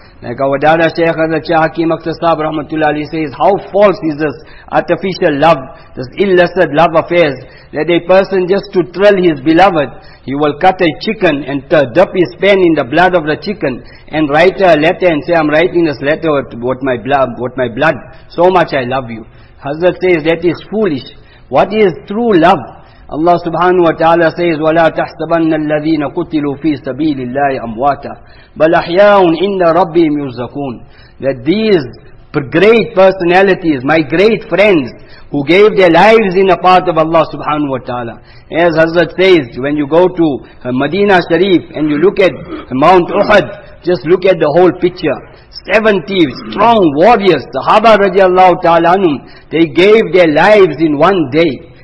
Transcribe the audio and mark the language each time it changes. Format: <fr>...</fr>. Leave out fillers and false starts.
<en>Like our Dada Shaykh Hazrat Shah Hakim Akhtar Sahib Rahmatullah Ali says, how false is this artificial love, this illicit love affairs, that a person just to thrill his beloved, he will cut a chicken and dip his pen in the blood of the chicken and write a letter and say, I'm writing this letter with my blood, so much I love you. Hazrat says, that is foolish. What is true love? Allah subhanahu wa ta'ala says,</en> <ar>وَلَا تَحْسَبَنَّ الَّذِينَ قُتِلُوا فِي سَبِيلِ اللَّهِ أَمْوَاتًا بَلْ أَحْيَاءٌ إِنَّ رَبِّهِمْ يُزَّكُونَ.</ar> <en>That these great personalities, my great friends, who gave their lives in the path of Allah subhanahu wa ta'ala. As Hazrat says, when you go to Medina Sharif and you look at Mount Uhud, just look at the whole picture. 70 strong warriors, Sahaba radiallahu ta'ala anhum, they gave their lives in one day.</en>